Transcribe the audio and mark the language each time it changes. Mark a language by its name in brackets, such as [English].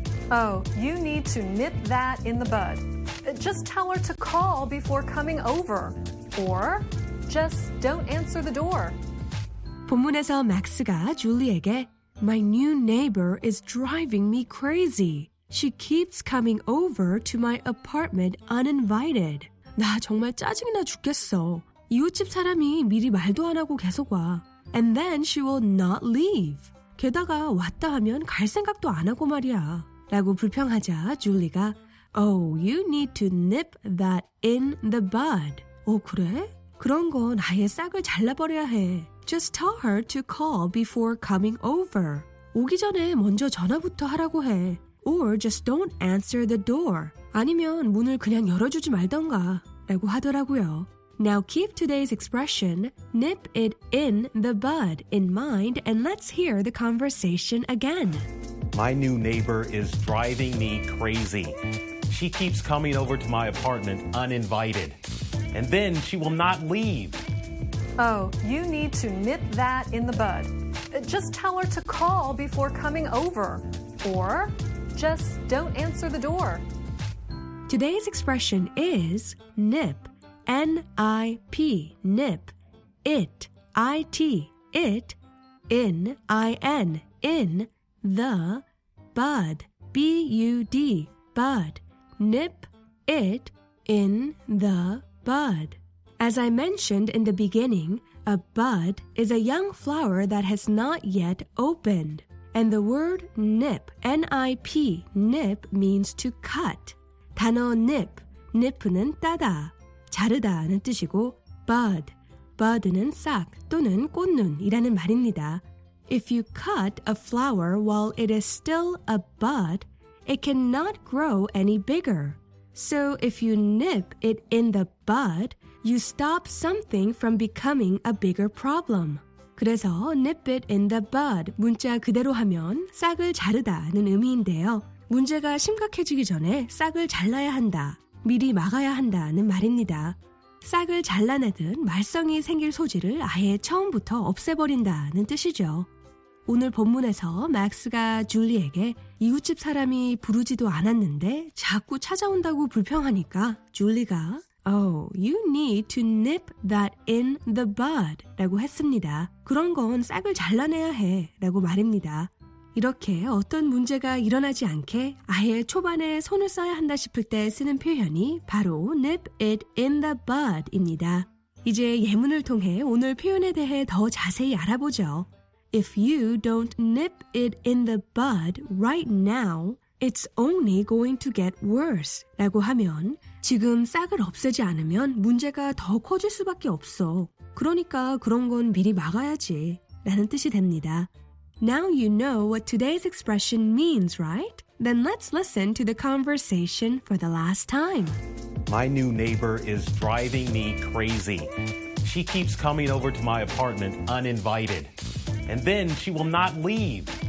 [English] Oh, you need to nip that in the bud. Just tell her to call before coming over. Or... Just don't answer the door. [Korean] 본문에서 맥스가 줄리에게 [English] My new neighbor is driving me crazy. She keeps coming over to my apartment uninvited. [Korean] 나 정말 짜증이 나 죽겠어. 이웃집 사람이 미리 말도 안 하고 계속 와. [English] And then she will not leave. [Korean] 게다가 왔다 하면 갈 생각도 안 하고 말이야. 라고 불평하자 줄리가 [English] Oh, you need to nip that in the bud. [Korean] 어, 그래? 그런 건 아예 싹을 잘라버려야 해. [English] Just tell her to call before coming over. [Korean] 오기 전에 먼저 전화부터 하라고 해. [English] Or just don't answer the door. [Korean] 아니면 문을 그냥 열어주지 말던가 라고 하더라고요. [English] Now keep today's expression, nip it in the bud, in mind, and let's hear the conversation again. My new neighbor is driving me crazy. She keeps coming over to my apartment uninvited. And then she will not leave. Oh, you need to nip that in the bud. Just tell her to call before coming over. Or just don't answer the door. Today's expression is nip. N-I-P. Nip. It. I-T. It. N-I-N. In the bud. B-U-D. Bud. Nip it in the bud. As I mentioned in the beginning, a bud is a young flower that has not yet opened. And the word nip, N-I-P, nip means to cut. [Korean] 단어 nip, nip는 따다, 자르다는 뜻이고, bud, bud는 싹 또는 꽃눈이라는 말입니다. [English] If you cut a flower while it is still a bud, it cannot grow any bigger. So if you nip it in the bud, you stop something from becoming a bigger problem. [Korean] 그래서 nip it in the bud, 문자 그대로 하면 싹을 자르다는 의미인데요. 문제가 심각해지기 전에 싹을 잘라야 한다, 미리 막아야 한다는 말입니다. 싹을 잘라내듯 말썽이 생길 소지를 아예 처음부터 없애버린다는 뜻이죠. 오늘 본문에서 맥스가 줄리에게 이웃집 사람이 부르지도 않았는데 자꾸 찾아온다고 불평하니까 줄리가 [English] Oh, you need to nip that in the bud [Korean] 라고 했습니다. 그런 건 싹을 잘라내야 해 라고 말입니다. 이렇게 어떤 문제가 일어나지 않게 아예 초반에 손을 써야 한다 싶을 때 쓰는 표현이 바로 nip it in the bud 입니다. 이제 예문을 통해 오늘 표현에 대해 더 자세히 알아보죠. [English] If you don't nip it in the bud right now, it's only going to get worse. [Korean] 라고 하면 지금 싹을 없애지 않으면 문제가 더 커질 수밖에 없어. 그러니까 그런 건 미리 막아야지 라는 뜻이 됩니다. [English] Now you know what today's expression means, right? Then let's listen to the conversation for the last time. My new neighbor is driving me crazy. She keeps coming over to my apartment uninvited. And then she will not leave.